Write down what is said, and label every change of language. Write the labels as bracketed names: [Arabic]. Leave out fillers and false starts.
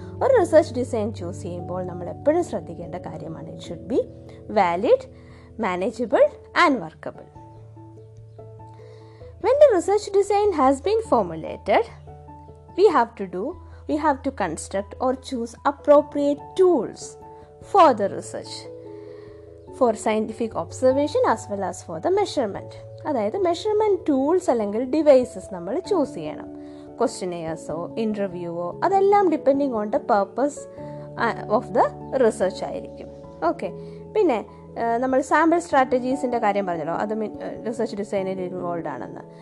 [Malayalam] ഒരു research design choose ചെയ്യുമ്പോൾ നമ്മൾ എപ്പോഴും ശ്രദ്ധിക്കേണ്ട കാര്യമാണ് [English] It should be valid, manageable and workable. When the research design has been formulated, we have to construct or choose appropriate tools for the research, for scientific observation as well as for the measurement. [Malayalam] അതായത് measurement tools അല്ലെങ്കിൽ devices നമ്മൾ choose ചെയ്യണം. ക്വസ്റ്റ്യനെയർസോ ഇൻ്റർവ്യൂവോ അതെല്ലാം [English] depending on the purpose of the research [Malayalam] ആയിരിക്കും. Okay, പിന്നെ നമ്മൾ sample സ്ട്രാറ്റജീസിൻ്റെ കാര്യം പറഞ്ഞല്ലോ, അത് റിസർച്ച് ഡിസൈനിൽ ഇൻവോൾവ് ആണെന്ന്.